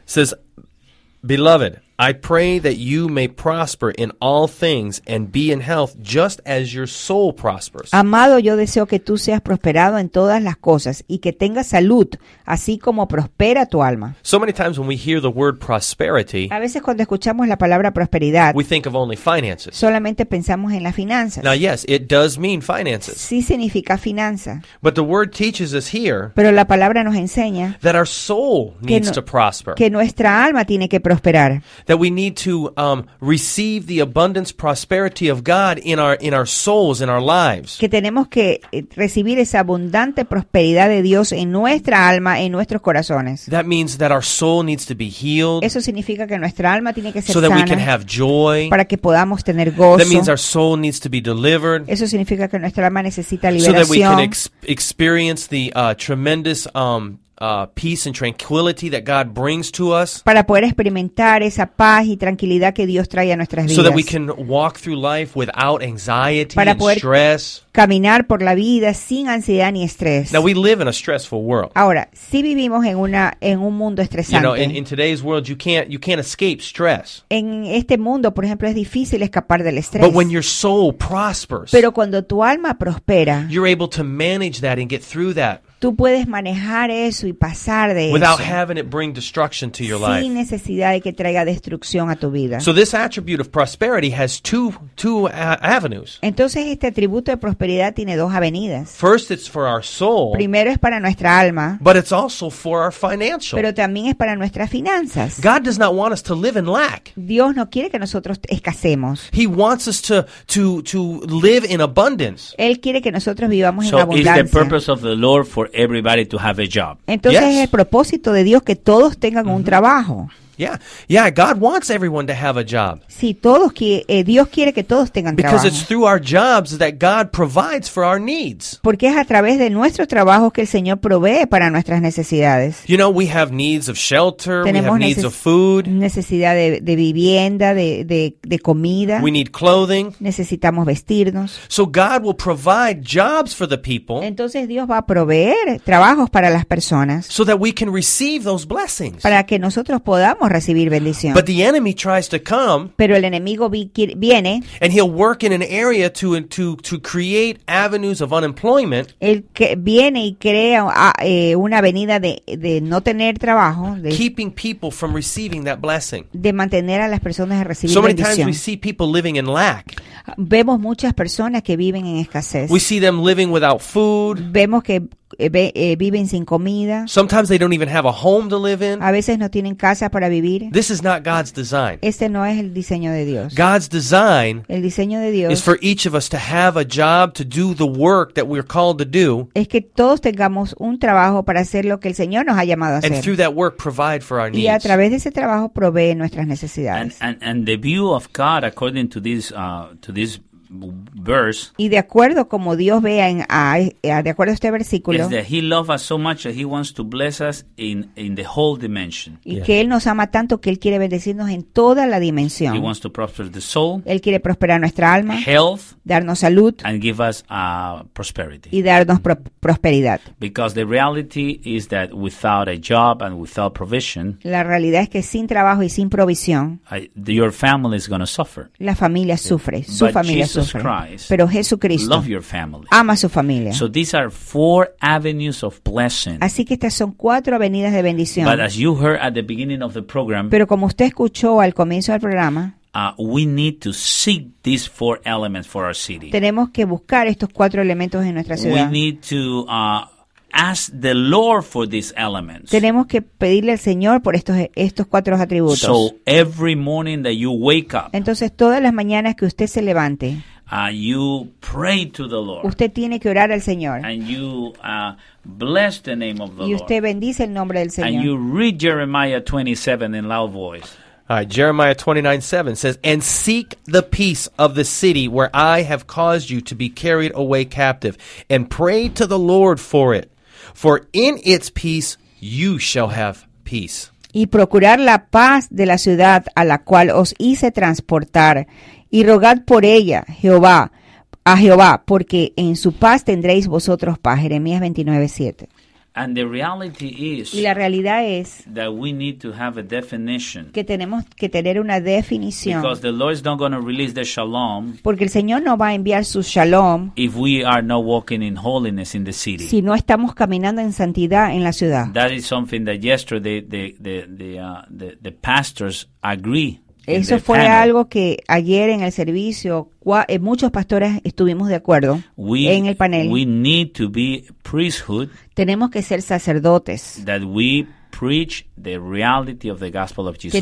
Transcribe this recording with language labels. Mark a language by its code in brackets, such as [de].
[en] Says, beloved, I pray that you may prosper in all things and be in health just as your soul prospers. [es] Amado, yo deseo que tú seas prosperado en todas las cosas y que tengas salud, así como prospera tu alma. [en] So many times when we hear the word prosperity, [es] a veces cuando escuchamos la palabra prosperidad, [en] we think of only finances. [es] Solamente pensamos en las finanzas. [en] Now yes, it does mean finances. [es] Sí significa finanza. [en] But the word teaches us here, [es] pero la palabra nos enseña, [en] that our soul needs to prosper. [es] Que nuestra alma tiene que prosperar. [en] That we need to receive the abundance prosperity of God in our souls, in our lives. [es] Que tenemos que recibir esa abundante prosperidad de Dios en nuestra alma, en nuestros corazones. [en] That means that our soul needs to be healed. [es] Eso significa que nuestra alma tiene que ser sana. [en] So that we can have joy. [es] Para que podamos tener gozo. [en] That means our soul needs to be delivered. [es] Eso significa que nuestra alma necesita liberación. [en] So that we can experience the tremendous peace and tranquility that God brings to us. [es] Para poder experimentar esa paz y tranquilidad que Dios trae a nuestras vidas. [en] So that we can walk through life without anxiety [es] para [en] and [es] poder [en] stress. [es] Caminar por la vida sin ansiedad ni estrés. [en] Now we live in a stressful world. [es] Ahora, sí vivimos en un mundo estresante. [en] You know, in today's world you can't escape stress. [es] En este mundo, por ejemplo, es difícil escapar del estrés. [en] But when your soul prospers, [es] pero cuando tu alma prospera, [en] you're able to manage that and get through that. [es] Tú puedes manejar eso y pasar de [en] without [es] eso [en] having it bring destruction to your [es] sin Necesidad de que traiga destrucción a tu vida. [en] So this attribute of prosperity has two avenues. [es] Entonces este atributo de prosperidad tiene dos avenidas. [en] First, it's for our soul. [es] Primero es para nuestra alma. [en] But it's also for our financial. [es] Pero también es para nuestras finanzas. [en] God does not want us to live in lack. [es] Dios no quiere que nosotros escasemos. [en] He wants us to live in abundance. [es] Él quiere que nosotros vivamos [en] so [es] en abundancia. [en] So is the purpose of the Lord for everybody to have a job. [es] Entonces [en] yes. [es] Es el propósito de Dios que todos tengan mm-hmm. un trabajo. [en] Yeah, yeah. God wants everyone to have a job. [es] Sí, todos Dios quiere que todos tengan trabajo. [en] Because it's through our jobs that God provides for our needs. [es] Porque es a través de nuestros trabajos que el Señor provee para nuestras necesidades. [en] You know, we have needs of shelter. [es] Tenemos [en] we have needs of food. [es] Necesidad de vivienda, de comida. [en] We need clothing. [es] Necesitamos vestirnos. [en] So God will provide jobs for the people. [es] Entonces Dios va a proveer trabajos para las personas. [en] So that we can receive those blessings. [es] Para que nosotros podamos recibir bendición. [en] But the enemy tries to come, [es] pero el enemigo viene [en] and he'll work in an area to create avenues of unemployment. [es] Él que viene y crea una avenida de no tener trabajo, [en] keeping people from receiving that blessing. [es] De mantener a las personas a recibir [en] so many [es] bendición. [en] Times we see people living in lack. [es] Vemos muchas personas que viven en escasez. [en] We see them living without food. [es] Vemos que viven sin comida. [en] Sometimes they don't even have a home to live in. [es] A veces no tienen casa para vivir. [en] This is not God's design. [es] Este no es el diseño de Dios. [en] God's design, [es] el diseño de Dios, [en] is for each of us to have a job to do the work that we're called to do. [es] Es que todos tengamos un trabajo para hacer lo que el Señor nos ha llamado a hacer. [en] And through that work provide for our needs. [es] Y a través de ese trabajo provee nuestras necesidades. [en] And the view of God according to this verse, [es] y de acuerdo como Dios vea de acuerdo a este versículo, [en] is that he loves us so much that he wants to bless us in the whole dimension. [es] Y yeah. Que él nos ama tanto que él quiere bendecirnos en toda la dimensión. [en] He wants to prosper the soul. [es] Él quiere prosperar nuestra alma. [en] Health. [es] Darnos salud. [en] And give us prosperity. [es] Y darnos prosperidad. [en] Because the reality is that without a job and without provision, [es] la realidad es que sin trabajo y sin provisión, [en] your family is going to suffer. [es] La familia sufre. Yeah. Su [en] But [es] familia [en] Jesus Christ, [es] pero Jesucristo, [en] love your family. [es] Ama su familia. [en] So these are four avenues of blessing. [es] Así que estas son cuatro avenidas de bendición. [en] But as you heard at the beginning of the program, [es] pero como usted escuchó al comienzo del programa, [en] We need to seek these four elements for our city. [es] Tenemos que buscar estos cuatro elementos en nuestra ciudad. [en] We need to ask the Lord for these elements. [es] Tenemos que pedirle al Señor por estos cuatro atributos. [en] So every morning that you wake up. [es] Entonces todas las mañanas que usted se levante. [en] You pray to the Lord. [es] Usted tiene que orar al Señor. [en] And you bless the name of the Lord. [es] Y usted bendice el nombre del Señor. [en] And you read Jeremiah 27 in loud voice. Jeremiah 29:7 says, "And seek the peace of the city where I have caused you to be carried away captive, and pray to the Lord for it, for in its peace you shall have peace." [es] Y procurar la paz de la ciudad a la cual os hice transportar, y rogad por ella, Jehová, a Jehová, porque en su paz tendréis vosotros paz. Jeremías 29:7. [en] And the reality is, [es] y la realidad es [en] that we need to have a definition, [es] que tenemos que tener una definición, [en] because the Lord is not going to release the shalom, [es] porque el Señor no va a enviar su shalom, [en] if we are not walking in holiness in the city, [es] si no estamos caminando en santidad en la ciudad. [en] That is something that yesterday the pastors agree. [es] Eso fue algo que ayer en el servicio muchos pastores estuvimos de acuerdo en el panel. [en] We need to be priesthood. [es] Tenemos que ser sacerdotes. [en] That we preach the reality of the gospel of Jesus.